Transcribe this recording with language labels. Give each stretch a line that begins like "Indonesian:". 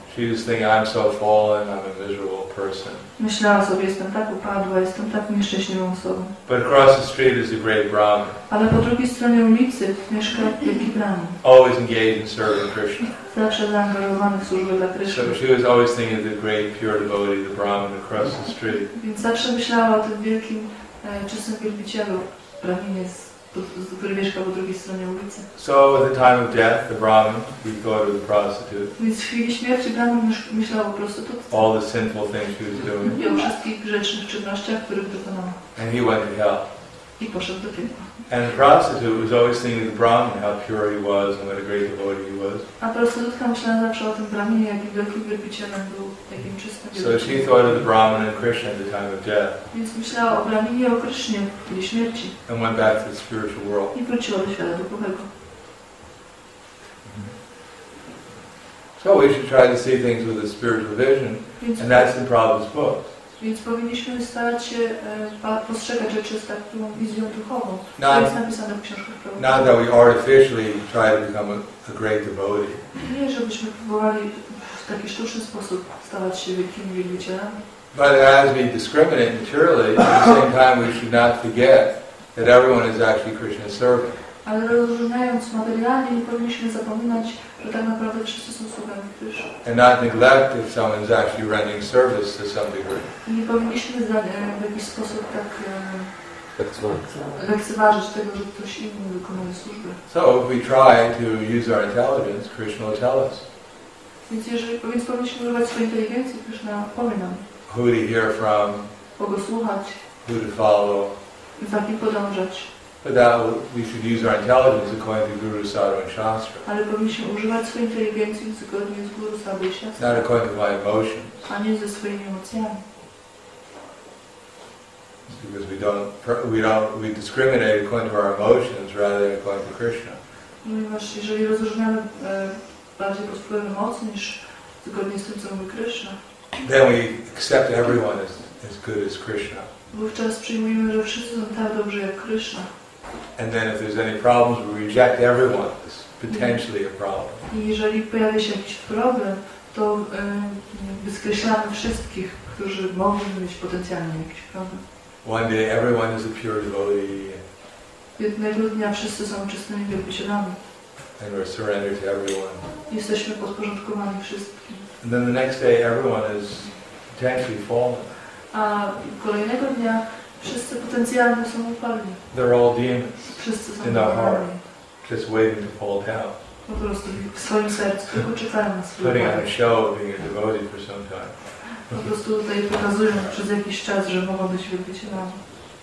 English: She was thinking, I'm so fallen, I'm a miserable person.
Polish: Myślała sobie, jestem tak upadła, jestem tak nieszczęśliwą osobą.
English: But across the street is a great Brahmin.
Polish: Ale po drugiej stronie ulicy mieszka wielki Brahmin.
English: Always engaged in serving Krishna.
Polish: Zawsze zaangażowany w służbę dla Krishna.
English: So she was always thinking of the great pure devotee, the Brahmin across the street.
Polish: Więc zawsze myślała o tym wielkim, czystym wielbicielu, Brahminie, który mieszka po drugiej stronie ulicy.
English: So at the time of death, the Brahmin, he thought of the prostitute.
Polish: Więc w chwili śmierci Brahmin myślał o prostytutce.
English: All the sinful things she was doing.
Polish: I o wszystkich grzecznych czynnościach, których dokonała.
English: And he went to hell.
Polish: I poszedł do piekła.
English: And the prostitute was always thinking of the Brahmin, how pure he was and what a great devotee he was.
Polish: A prostytutka myślała zawsze o tym Brahminie, jakim wielkim wielbicielem był, jakim czystym.
English: So she thought of the Brahmin and Krishna at the time of death.
Polish: Więc myślała o Brahminie i o Krishnie w chwili śmierci.
English: And went back to the spiritual world.
Polish: I wróciła do świata duchowego.
English: So we should try to see things with a spiritual vision, and that's in Prabhupada's book.
Polish: Więc powinniśmy starać się postrzegać rzeczy z taką wizją duchową, co jest napisane w książkach prawdy.
English: Not that we artificially try to become a great devotee.
Polish: Nie, żebyśmy próbowali w taki sztuczny sposób stawać się wielkimi wielbicielami.
English: But as we discriminate materially, at the same time we should not forget that everyone is actually Krishna's servant.
Polish: Ale rozróżniając materialnie, nie powinniśmy zapominać, że tak naprawdę wszyscy są sługami Krishna.
English: And not neglect if someone is actually rendering service to some degree.
Polish: Nie powinniśmy w jakiś sposób tak lekceważyć tego, że ktoś inny wykonuje służbę.
English: So if we try to use our intelligence, Krishna will tell us.
Polish: Więc jeżeli powinniśmy używać swojej inteligencji, Krishna powie nam.
English: Who to hear from.
Polish: Kogo słuchać.
English: Who to follow.
Polish: Za kim podążać.
English: But that we should use our intelligence according to Guru, Sadhu, and Shastra.
Polish: Ale powinniśmy używać swojej inteligencji zgodnie z Guru, Sadhu i Shastra.
English: Not according to my emotions.
Polish: A nie ze swoimi emocjami.
English: It's because we discriminate according to our emotions rather than according to Krishna.
Polish: Ponieważ jeżeli rozróżniamy bardziej pod wpływem emocji niż zgodnie z tym, co mówi Krishna.
English: Then we accept everyone as good as Krishna.
Polish: Wówczas przyjmujemy, że wszyscy są tak dobrze jak Krishna.
English: And then if there's any problems, we reject everyone as potentially a problem.
Polish: I jeżeli pojawia się jakiś problem, to wyskreślamy wszystkich, którzy mogą mieć potencjalnie jakiś problem.
English: One day everyone is a pure devotee.
Polish: Jednego dnia wszyscy są czystymi wielbicielami.
English: And we're surrendered to everyone.
Polish: Jesteśmy podporządkowani wszystkim.
English: And then the next day everyone is potentially fallen.
Polish: A kolejnego dnia wszyscy potencjalnie są upalni.
English: They're all demons.
Polish: Wszyscy są
English: in their heart, just waiting to fall down.
Polish: Po prostu w swoim sercu tylko czekają na swoje.
English: Putting on a show of being a devotee for some time.
Polish: Po prostu tutaj pokazują przez jakiś czas, że mogą być wielbicielami.